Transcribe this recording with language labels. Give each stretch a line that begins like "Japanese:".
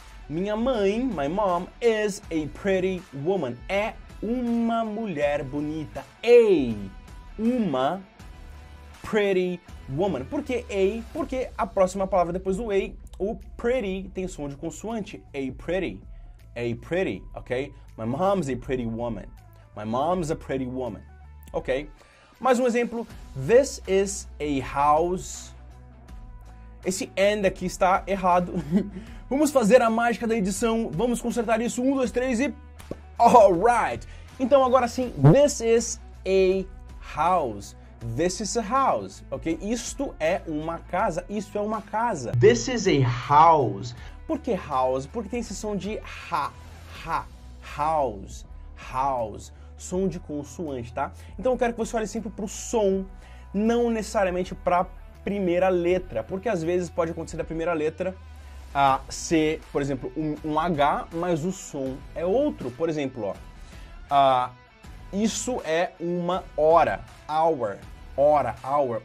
Portuguese: Minha mãe,
English: my mom, is a pretty woman.
Portuguese: É uma mulher bonita. A, uma
English: pretty woman.
Portuguese: Por que a? Porque a próxima palavra depois do a, o pretty, tem som de consoante.
English: A pretty, ok? My mom's a pretty woman. My mom's a pretty woman, ok?
Portuguese: Mais um exemplo.
English: This is a house.
Portuguese: Esse and aqui está errado. Vamos fazer a mágica da edição. Vamos consertar isso. Um, dois, três e... Alright! Então agora sim,
English: this is a house. This is a house, ok?
Portuguese: Isto é uma casa, isso é uma casa.
English: This is a house.
Portuguese: Por que
English: house?
Portuguese: Porque tem esse som de ha, ha, house, house, som de consoante, tá? Então eu quero que você olhe sempre pro som, não necessariamente pra primeira letra, porque às vezes pode acontecer da primeira letra ser, por exemplo, um H, mas o som é outro. Por exemplo, ó, isso é uma hora, hour. Hora, hour.